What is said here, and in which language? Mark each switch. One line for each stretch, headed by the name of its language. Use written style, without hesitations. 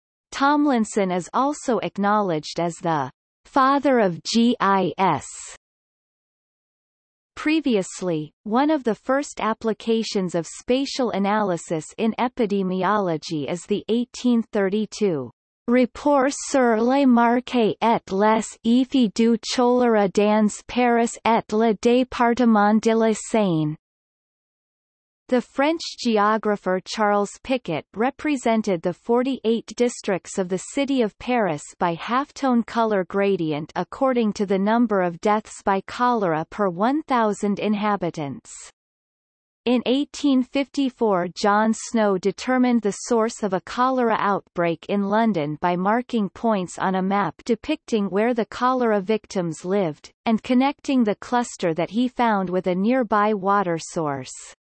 English: Tomlinson is also acknowledged as the father of GIS. Previously, one of the first applications of spatial analysis in epidemiology is the 1832.
French: Rapport sur les marques et les effets du choléra dans Paris et le département de la Seine.
English: The French geographer Charles Picot represented the 48 districts of the city of Paris by halftone color gradient according to the number of deaths by cholera per 1,000 inhabitants. In 1854, John Snow determined the source of a cholera outbreak in London by marking points on a map depicting where the cholera victims lived, and connecting the cluster that he found with a nearby water source.